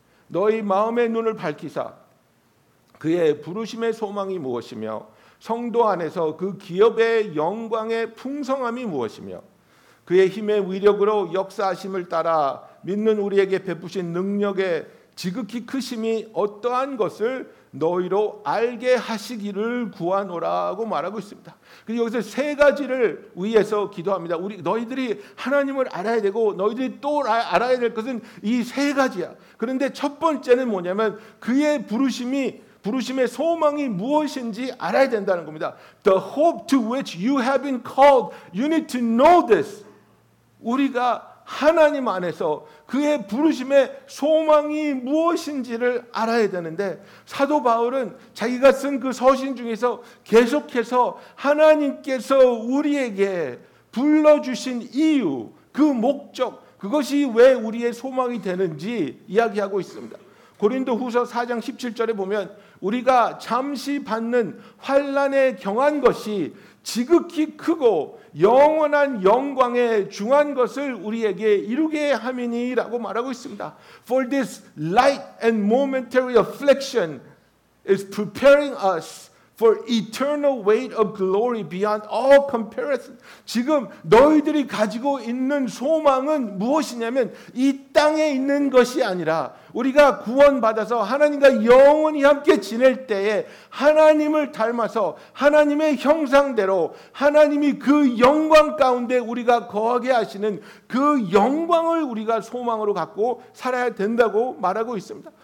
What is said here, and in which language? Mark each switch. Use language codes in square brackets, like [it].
[ko] 너희 마음의 눈을 밝히사 그의 부르심의 소망이 무엇이며 성도 안에서 그 기업의 영광의 풍성함이 무엇이며 그의 힘의 위력으로 역사하심을 따라 믿는 우리에게 베푸신 능력의 지극히 크심이 어떠한 것을 너희로 알게 하시기를 구하노라고 말하고 있습니다. 그리고 여기서 세 가지를 위해서 기도합니다. 우리 너희들이 하나님을 알아야 되고 너희들이 또 알아야 될 것은 이 세 가지야. 그런데 첫 번째는 뭐냐면 그의 부르심이, 부르심의 소망이 무엇인지 알아야 된다는 겁니다. [en] The hope to which you have been called, you need to know this. [ko] 우리가 하나님 안에서 그의 부르심의 소망이 무엇인지를 알아야 되는데 사도 바울은 자기가 쓴 그 서신 중에서 계속해서 하나님께서 우리에게 불러주신 이유, 그 목적, 그것이 왜 우리의 소망이 되는지 이야기하고 있습니다. 고린도 후서 4장 17절에 보면 우리가 잠시 받는 환난의 경한 것이 지극히 크고 영원한 영광의 중한 것을 우리에게 이루게 함이니라고 말하고 있습니다. [en] For this light and momentary affliction is preparing us For eternal weight of glory beyond all comparison. [ko] 지금 너희들이 가지고 있는 소망은 무엇이냐면 이 땅에 있는 것이 아니라 우리가 구원받아서 하나님과 영원히 함께 지낼 때에 하나님을 닮아서 하나님의 형상대로 하나님이 그 영광 가운데 우리가 거하게 하시는 그 영광을 우리가 소망으로 갖고 살아야 된다고 말하고 있습니다.